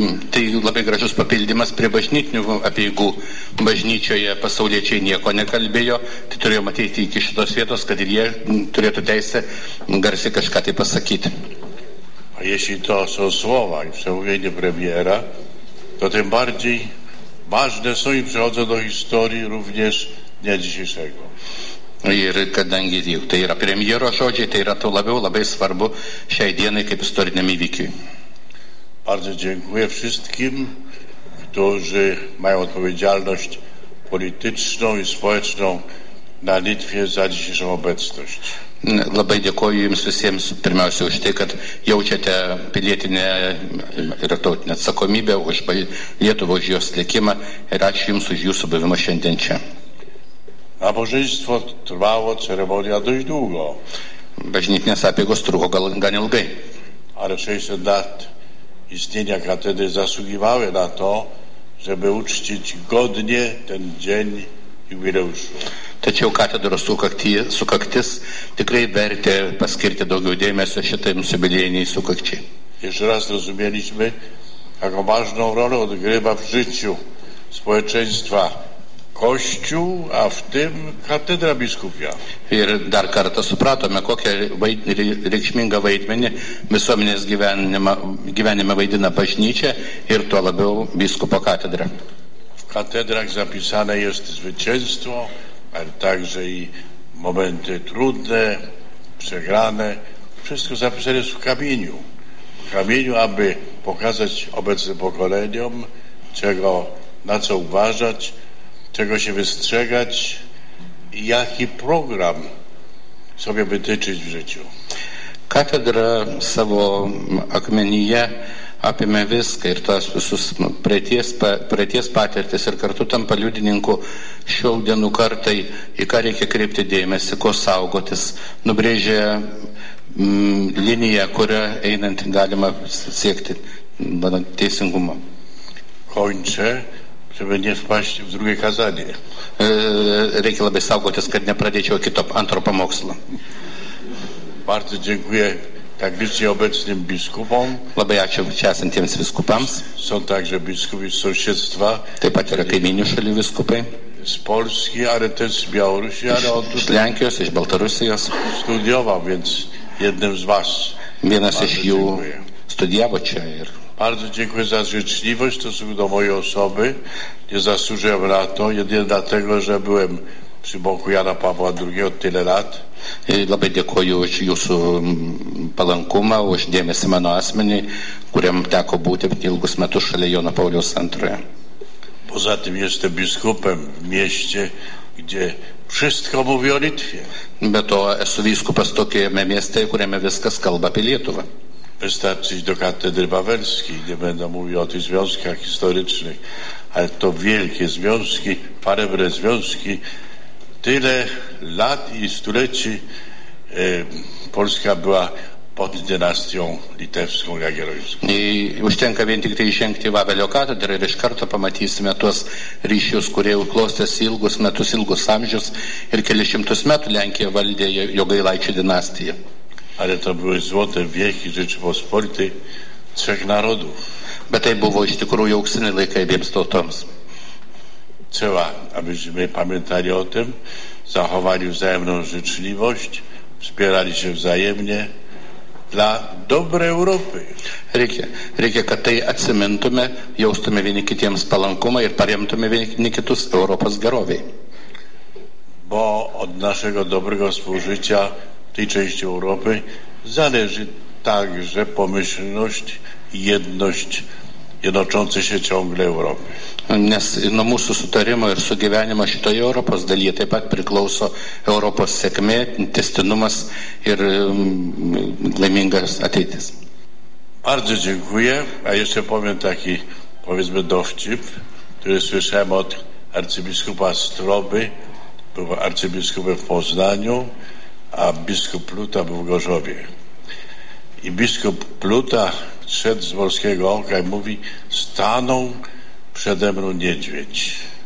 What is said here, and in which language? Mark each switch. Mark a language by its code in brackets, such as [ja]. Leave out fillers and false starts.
[lt] Tai labai gražus papildymas prie bažnytinių apeigų. Bažnyčioje pasauliečiai nieko nekalbėjo, tai turėjo matyti iki šitos vietos, kad ir jie turėtų teisę garsiai kažką tai pasakyti. [pl] A jeśli to są słowa i przemówienie premiera, to tym bardziej ważne są i przychodzą do historii również dnia dzisiejszego. [lt] Ir kadangi tai yra premjero žodžiai, tai yra to labiau labai svarbu šiai dienai kaip istoriniam įvykiui. [pl] Bardzo dziękuję wszystkim, którzy mają odpowiedzialność polityczną i społeczną na Litwie za dzisiejszą obecność. [lt] Labai dėkoju jums visiems pirmiausia už tai, kad jaučiate pilietinę ir tautinę atsakomybę už Lietuvą, už jos likimą ir ačiū jums už jūsų buvimą šiandien čia. [pl] Nabożeństwo trwało, ceremonia dość długo. [lt] Bažnytinė apeigos truko gan ilgai. [pl] Ale 600 lat istnienia katedry zasługiwały na to, żeby uczcić godnie ten dzień jubileuszu. [lt] Tačiau katedros sukaktis tikrai vertė paskirti daugiau dėmesio šitai jubiliejinei sukakčiai. [pl] Jeszcze raz rozumieliśmy, jaką ważną rolę odgrywa w życiu społeczeństwa Kościół, a w tym katedra biskupia. [lt] Ir dar kartą supratome, kokią reikšmingą vaidmenį visuomenės gyvenime vaidina bažnyčia ir tuo labiau biskupo katedra. [pl] W katedrach zapisane jest zwycięstwo, ale także i momenty trudne, przegrane. Wszystko zapisane jest w kamieniu. W kamieniu, aby pokazać obecnym pokoleniom, czego, na co uważać, czego się wystrzegać i jaki program sobie wytyczyć w życiu. [lt] Katedra savo akmenyje apėmė viską ir tos visus praeities patirtis ir kartu tampa liudininku šiol dienų kartai, į ką reikia kreipti dėmesį, ko saugotis, nubrėžė linija, kurią einant galima siekti mano teisingumą. Končia, čia vienies paštį v drugiai kazadį. Reikia labai saugotis, kad nepradėčiau kito antro pamokslo. [pl] Bardzo dziękuję tak visi obecnim biskupom. [lt] Labai ačiū čia esantiems viskupams. [pl] Są także biskupi z sąsiedztwa. [lt] Taip pat yra kaimynių šalių viskupai. [pl] Z Polski, ale też z Białorusi, ale od... [lt] Z Lenkijos, iš Baltarusijos. [pl] Studiował, więc jednym z was. [lt] Vienas iš jų studijavo čia ir... [pl] Bardzo dziękuję za życzliwość w stosunku do mojej osoby. Nie zasłużyłem na to, jedynie dlatego, że byłem przy boku Jana Pawła II od tyle lat. [lt] I labai dėkoju už jūsų palankumą, už dėmesį mano asmenį, kuriam teko būti ilgus metus šalia Jono Pauliaus antrojo. [pl] Poza tym jestem biskupem w mieście, gdzie wszystko mówi o Litwie. [lt] Be to esu vyskupas tokiame mieste, kuriame viskas kalba apie Lietuvą. [pl] Wystarczy do katedry Wawelskiej, nie będę mówił o tych związkach historycznych, ale to wielkie związki, parebre związki. Tyle lat i stuleci Polska była pod dynastią litewską jagiellońską. [lt] I užtenka vien tik tai žengti Vavelio katedrą ir iš karto pamatysime tuos ryšius, kurie klostėsi ilgus metus, ilgus amžius ir keli šimtus metų Lenkija valdė Jogailaičių dinastiją. [pl] Ale to były złote wieki Rzeczypospolitej trzech narodów. [lt] Bet tai buvo iš tikrųjų auksiniai laikai abiems tautoms. [pl] Trzeba, abyśmy pamiętali o tym, zachowali wzajemną życzliwość, wspierali się wzajemnie dla dobra Europy. [lt] Reikia, kad tai atsimintume, jaustume vieni kitiems palankumą ir paremtume vieni kitus Europos gerovei. [pl] Bo od naszego dobrego współżycia w tej części Europy zależy także pomyślność i jedność jednoczące się ciągle Europy. [lt] Nes nuo mūsų sutarimo ir sugyvenimo šitoje Europos dalyje taip pat priklauso Europos sėkmė, testinumas ir laimingas ateitis. [pl] Bardzo dziękuję. A jeszcze powiem taki, powiedzmy, dowcip, który słyszałem od arcybiskupa Stroby, był arcybiskupem w Poznaniu, a biskup Pluta był w Gorzowie. I biskup Pluta szedł z Morskiego Oka i mówi, stanął przede mną niedźwiedź.